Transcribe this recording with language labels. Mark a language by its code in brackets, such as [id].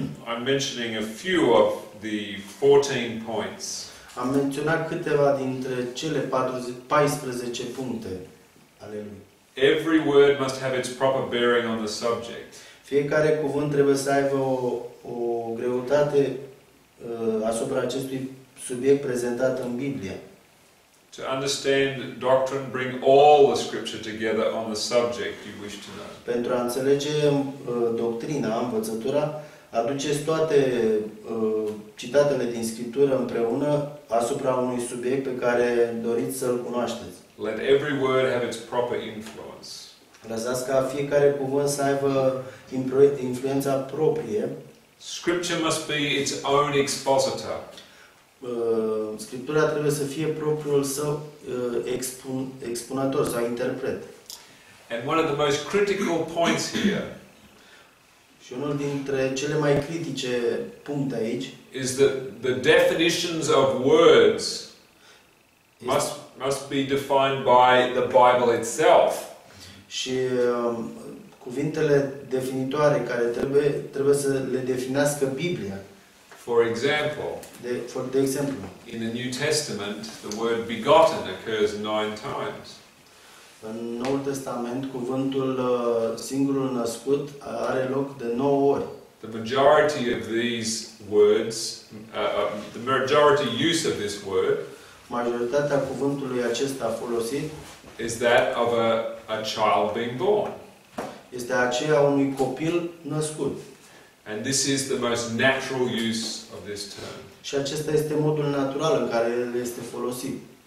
[en] I'm mentioning a few of the 14 points. [ro] Am menționat câteva dintre cele 14 puncte ale lui. [en] Every word must have its proper bearing on the subject. [ro] Fiecare cuvânt trebuie să aibă o greutate asupra acestui subiect prezentat în Biblie. [en] To understand doctrine, bring all the scripture together on the subject you wish to know. [ro] Pentru a înțelege doctrina, învățătura, aduceți toate citatele din scriptură împreună asupra unui subiect pe care doriți să-l cunoașteți. [en] Let every word have its proper influence. [ro] Lăsați ca fiecare cuvânt să aibă influența proprie. [en] Scripture must be its own expositor. [ro] Scriptura trebuie să fie propriul său expunător sau interpret. [en] And one of the most critical points here. [ro] Și unul dintre cele mai critice puncte aici [en] is that the definitions of words must be defined by the Bible itself. [ro] Și cuvintele definitoare care trebuie să le definească Biblia. [en] For example, [ro] de exemplu, [en] in the New Testament, the word begotten occurs 9 times. [ro] În Noul Testament, cuvântul singurul născut are loc de 9 ori. [en] The majority of these words, the majority use of this word, [ro] majoritatea cuvântului acesta folosit, [en] is that of a child being born. [ro] Este aceea unui copil născut. [en] And this is the most natural use of this term. [ro] Și acesta este modul natural în care el este folosit.